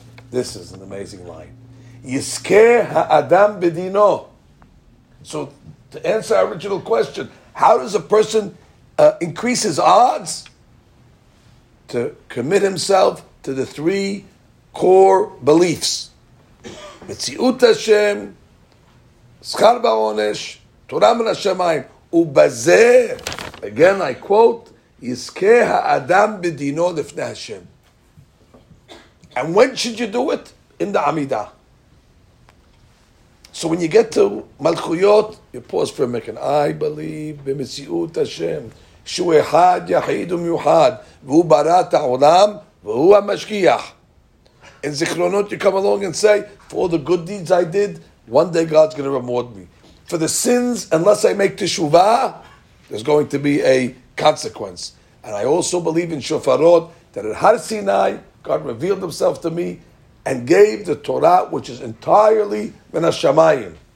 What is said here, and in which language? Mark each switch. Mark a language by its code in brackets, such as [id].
[en] This is an amazing line. Yizkeh ha'adam bidino. So to answer our original question, how does a person increase his odds? To commit himself to the three core beliefs [he] מציאות השם, שכר בעונש, תורה מן השמיים, ובזה, [en] again I quote, [he] יזכה האדם בדינו לפני השם. [en] And when should you do it? In the Amidah. So when you get to Malchuyot, you pause for a minute. I believe [he] במציאות השם, שהוא אחד יחיד ומיוחד, והוא ברא את העולם, והוא המשגיח. [en] In Zichronot, you come along and say, for all the good deeds I did, one day God's going to reward me. For the sins, unless I make teshuvah, there's going to be a consequence. And I also believe in Shofarot, that at Har Sinai, God revealed himself to me and gave the Torah, which is entirely min hashamayim.